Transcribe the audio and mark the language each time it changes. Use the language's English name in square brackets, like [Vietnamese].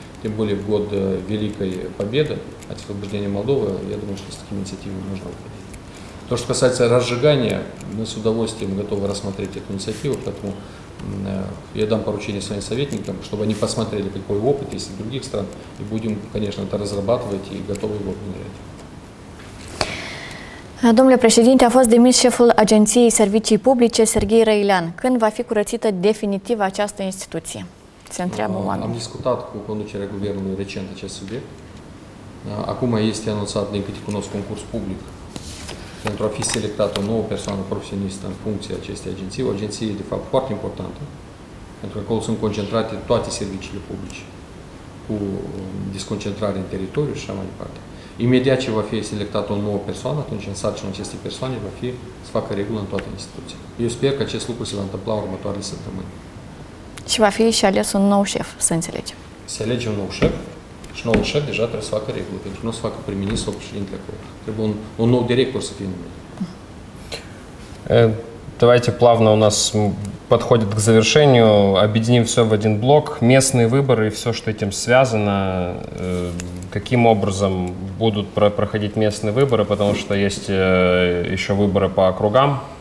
[Russian] Тем более в год Великой Победы, от освобождения Молдовы, я думаю, что с такими инициативами нужно выходить. То, что касается разжигания, мы с удовольствием готовы рассмотреть эту инициативу, поэтому я дам поручение своим советникам, чтобы они посмотрели, какой опыт есть в других стран, и будем, конечно, это разрабатывать и готовы его внедрять. [Romanian] Domnule președinte, a fost demis șeful Agenției Servicii Publice, Serghei Răilean. Când va fi curățită definitiv această instituție? Se întreabă oamenii. Am discutat cu conducerea guvernului recent acest subiect. Acum este anunțat, din câte cunosc, concurs public pentru a fi selectată o nouă persoană profesionistă în funcția acestei agenții. O agenție e, de fapt, foarte importantă, pentru că acolo sunt concentrate toate serviciile publice, cu disconcentrare în teritoriu și așa mai departe. Imediat ce va fi selectată o nouă persoană, atunci în sarcina acestei persoane va fi să facă regulă în toate instituțiile. Eu sper că acest lucru se va întâmpla următoarele săptămâni. Și va fi și ales un nou șef, să înțelegem. Se alege un nou șef și noul șef deja trebuie să facă regulă, pentru că nu o să facă prim-ministru sau președintele acolo. Trebuie un nou director să fie numit. [Russian] Давайте плавно у нас подходит к завершению. Объединим все в один блок. Местные выборы и все, что этим связано. Каким образом будут проходить местные выборы? Потому что есть еще выборы по округам.